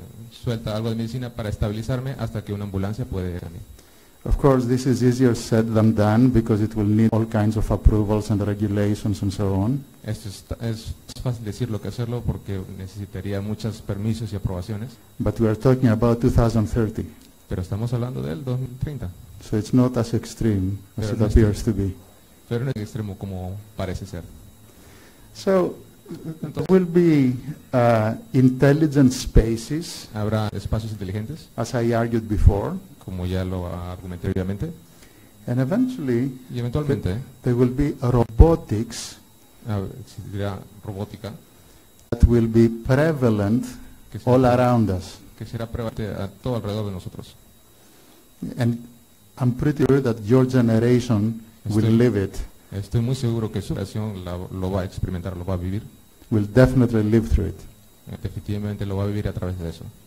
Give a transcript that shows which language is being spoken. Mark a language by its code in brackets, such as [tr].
[es] Suelta algo de medicina para estabilizarme hasta que una ambulancia puede ir a mí. [en] Of course, this is easier said than done because it will need all kinds of approvals and regulations and so on. [es] Esto es fácil decirlo que hacerlo porque necesitaría muchos permisos y aprobaciones. [en] But we are talking about 2030. [es] Pero estamos hablando del 2030. [en] So it's not as extreme as it appears to be. [es] Pero no es extremo como parece ser. [en] So there will be intelligent spaces. [es] Habrá espacios inteligentes. [en] As I argued before. [es] Como ya lo argumenté previamente. [en] And eventually. [es] Y eventualmente. [en] There will be robotics. [es] Existirá robótica. [en] That will be prevalent all around us. [es] Que será prevalente a todo alrededor de nosotros. [en] And I'm pretty sure that your generation will live it. [es] Estoy muy seguro que su generación lo va a experimentar, lo va a vivir. [en] Will definitely live through it. [es] Definitivamente lo va a vivir a través de eso.